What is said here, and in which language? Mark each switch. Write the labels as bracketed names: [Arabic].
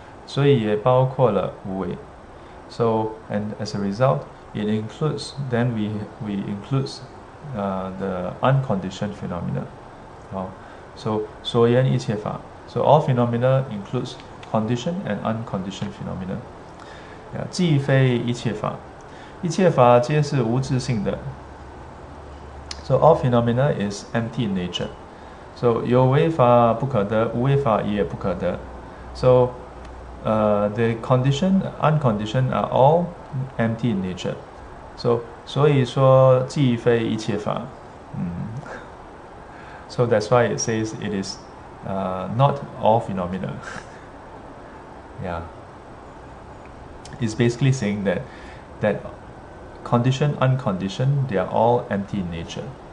[Chinese] 所以也包括了无为。 [English] So, and as a result, it includes, then we includes the unconditioned phenomena. [Chinese] So, 所言一切法. [English] So, all phenomena includes conditioned and unconditioned phenomena. [Chinese] 即非一切法，一切法皆是无自性的。 [English] So, all phenomena is empty in nature. [Chinese] So, 有为法不可得，无为法也不可得。 [English] So, the condition, unconditioned are all empty in nature. [Chinese] So, 所以说即非一切法。 [English] So that's why it says it is not all phenomena. It's basically saying that condition, unconditioned, they are all empty in nature.